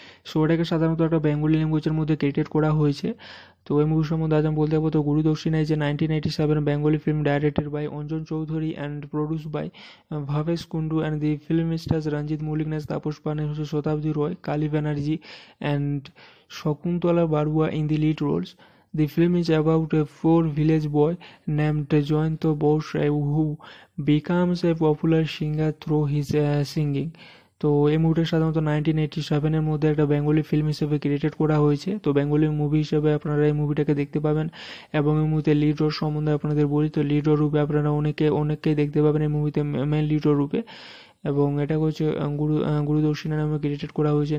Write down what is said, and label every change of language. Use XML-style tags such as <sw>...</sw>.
<bn>So এটাকে সাধারণত একটা বেঙ্গলি ল্যাঙ্গুয়েজের মধ্যে ক্রিয়েটেড করা হয়েছে। তো এই মুভি সম্বন্ধে আজ আমি বলতে যাবো, তো গুরু দক্ষিণা যে 1987 Bengali film,</bn> <en>Directed by Anjan Chowdhury and produce by Bhabesh Kundu, and the film stars Ranjit Mallick, নেস Tapas Paul, Satabdi Roy, Kali Banerjee and Shakuntala Barua in the lead roles. The film is about a poor village boy named Jayanta Bose who becomes a popular singer through his singing.</en> <bn>তো এই মুভিটা সাধারণত 1987 মধ্যে একটা Bengali film হিসেবে created করা হয়েছে। তো বেঙ্গলি মুভি হিসেবে আপনারা এই মুভিটাকে দেখতে পাবেন। এবং এই মুভিতে লিড রোল সম্বন্ধে আপনাদের বলি, তো লিড রোল রূপে আপনারা অনেককেই দেখতে পাবেন এই মুভিতে মেন লিড রোল রূপে। এবং এটাকে হচ্ছে গুরু দক্ষিণা নামে ক্রিয়েটেড করা হয়েছে।</bn>